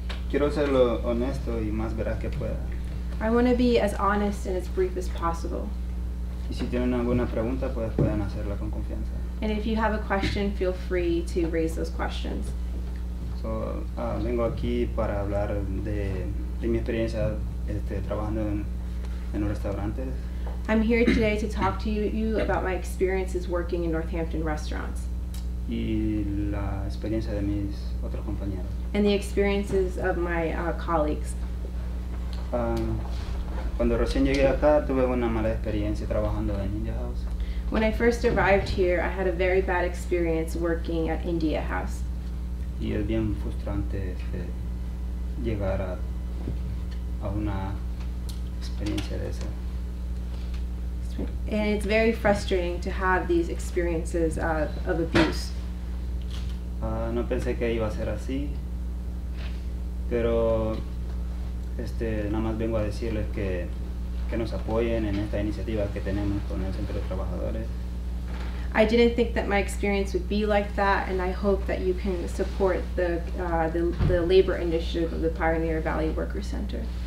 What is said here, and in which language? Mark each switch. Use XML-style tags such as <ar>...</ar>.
<es>Quiero ser lo honesto y más veraz que pueda.</es> <en>I want to be as honest and as brief as possible.</en> <es>Y si tienen alguna pregunta, pues pueden hacerla con confianza.</es> <en>And if you have a question, feel free to raise those questions.</en> <es>So, vengo aquí para hablar de mi experiencia trabajando en un restaurante.</es> <en>I'm here today to talk to you about my experiences working in Northampton restaurants.</en> <es>Y la experiencia de mis otros compañeros.</es> <en>And the experiences of my colleagues.</en> <es>Cuando recién llegué acá, tuve una mala experiencia trabajando en India House.</es> <en>When I first arrived here, I had a very bad experience working at India House.</en> <es>Y es bien frustrante llegar a una experiencia de esa.</es> <en>And it's very frustrating to have these experiences of abuse.</en> <es>No pensé que iba a ser así, pero nada más vengo a decirles que nos apoyen en esta iniciativa que tenemos con el Centro de Trabajadores.</es> <en>I didn't think that my experience would be like that, and I hope that you can support the labor initiative of the Pioneer Valley Worker Center.</en>